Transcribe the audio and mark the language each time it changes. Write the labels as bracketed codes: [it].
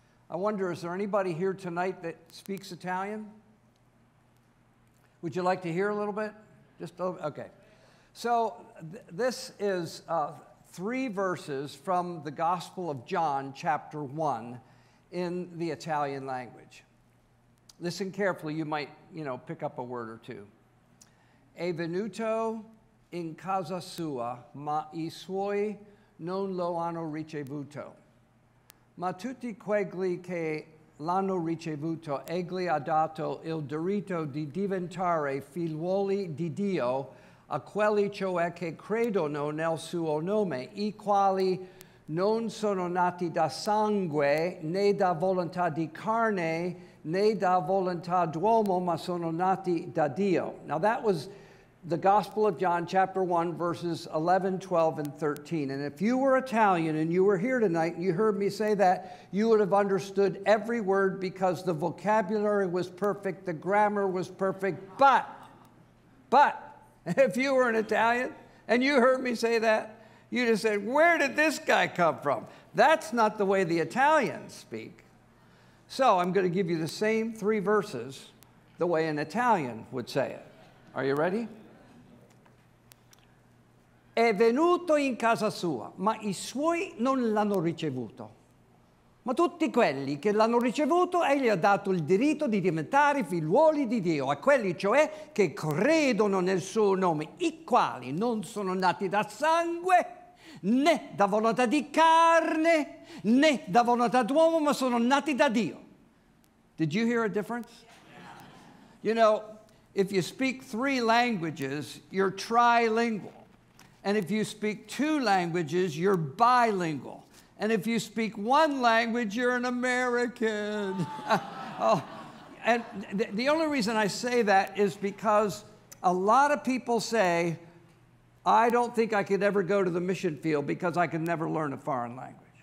[en] I wonder, is there anybody here tonight that speaks Italian? Would you like to hear a little bit? Just a little, okay. So this is three verses from the Gospel of John, chapter 1, in the Italian language. Listen carefully, you might, you know, pick up a word or two. [it] E venuto in casa sua, ma I suoi non lo hanno ricevuto. Ma tutti quelli che l'hanno ricevuto, egli ha dato il diritto di diventare figliuoli di Dio, a quelli cioè che credono nel suo nome, i quali non sono nati da sangue, né da volontà di carne, né da volontà d'uomo, ma sono nati da Dio. [en] Now that was the Gospel of John, chapter 1, verses 11, 12, and 13. And if you were Italian and you were here tonight and you heard me say that, you would have understood every word because the vocabulary was perfect, the grammar was perfect. But, if you were an Italian and you heard me say that, you'd have said, where did this guy come from? That's not the way the Italians speak. So I'm going to give you the same three verses the way an Italian would say it. Are you ready? [it] È venuto in casa sua, ma I suoi non l'hanno ricevuto. Ma tutti quelli che l'hanno ricevuto, egli ha dato il diritto di diventare figliuoli di Dio, a quelli cioè che credono nel suo nome, I quali non sono nati da sangue, né da volontà di carne, né da volontà d'uomo, ma sono nati da Dio. [en] Did you hear a difference? You know, if you speak three languages, you're trilingual. And if you speak two languages, you're bilingual. And if you speak one language, you're an American. and the only reason I say that is because a lot of people say, I don't think I could ever go to the mission field because I can never learn a foreign language.